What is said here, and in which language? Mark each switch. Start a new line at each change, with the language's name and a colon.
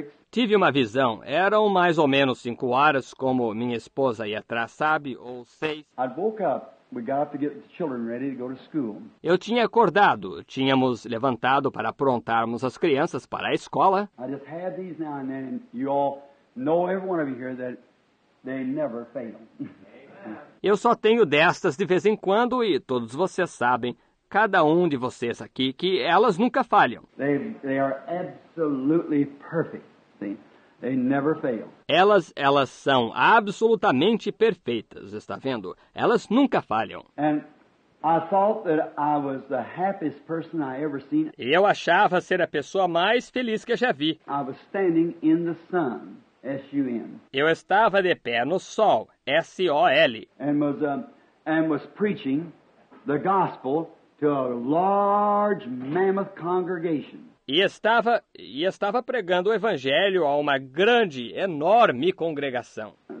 Portuguese: Tive uma visão. Eram mais ou menos 5 horas, como minha esposa aí atrás sabe, ou 6.
English: I woke up. We got to get the children ready to go to school.
Portuguese: Eu tinha acordado, tínhamos levantado para aprontarmos as crianças para a escola.
English: I just had these now and then, you all know, every one of you here, that they never fail. Amen.
Portuguese: Eu só tenho destas de vez em quando e todos vocês sabem, cada um de vocês aqui, que elas nunca falham.
English: They are absolutely perfect. See? They never fail.
Portuguese: Elas são absolutamente perfeitas, está vendo? Elas nunca falham.
English: And I thought that I was the happiest person I ever seen.
Portuguese: Eu achava ser a pessoa mais feliz que eu já vi.
English: I was standing in the sun, S-U-N.
Portuguese: Eu estava de pé no sol, S-O-L.
English: And was preaching the gospel to a large mammoth congregation.
Portuguese: E estava pregando o evangelho a uma grande, enorme congregação.